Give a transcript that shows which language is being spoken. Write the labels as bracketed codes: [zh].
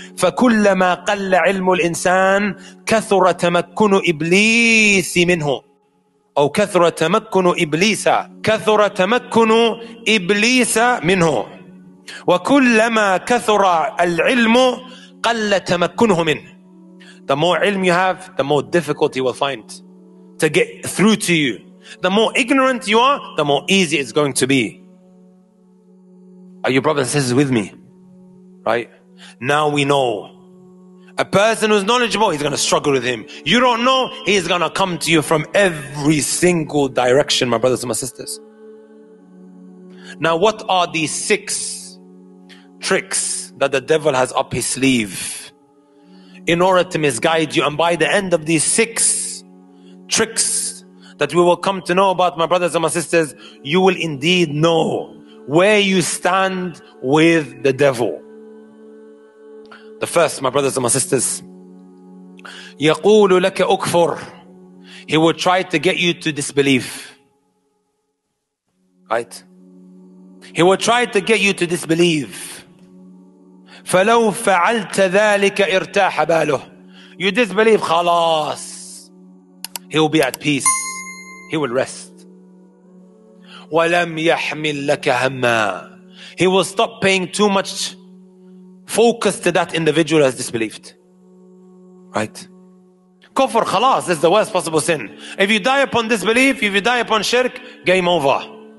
[ar] فَكُلَّمَا قَلَّ عِلْمُ الْإِنسَانِ كَثُرَ تَمَكُّنُ إِبْلِيسِ مِنْهُ أو كَثُرَ تَمَكُّنُ إِبْلِيسَ كَثُرَ تَمَكُّنُ إِبْلِيسَ مِنْهُ وَكُلَّمَا كَثُرَ الْعِلْمُ قَلَّ تَمَكُّنُهُ مِنْهُ [en] The more ilm you have, the more difficulty you will find to get through to you. The more ignorant you are, the more easy it's going to be. Are you brothers and sisters with me? Right? Now we know. A person who's knowledgeable, he's going to struggle with him. You don't know, he's going to come to you from every single direction, my brothers and my sisters. Now what are the six tricks that the devil has up his sleeve in order to misguide you? And by the end of these six tricks that we will come to know about, my brothers and my sisters, you will indeed know where you stand with the devil. The first, my brothers and my sisters, [ar] يَقُولُ لَكَ أُكْفُرْ [en] He will try to get you to disbelieve. Right? He will try to get you to disbelieve. [ar] فَلَوْ فَعَلْتَ ذَلِكَ إِرْتَاحَ بَالُهُ [en] You disbelieve, [ar] خَلَاص. [en] He will be at peace. He will rest. [ar] وَلَمْ يَحْمِلْ لَكَ هَمَّا [en] He will stop paying too much focus to that individual who has disbelieved. Right? Kufr, khalas, is the worst possible sin. If you die upon disbelief, if you die upon shirk, game over.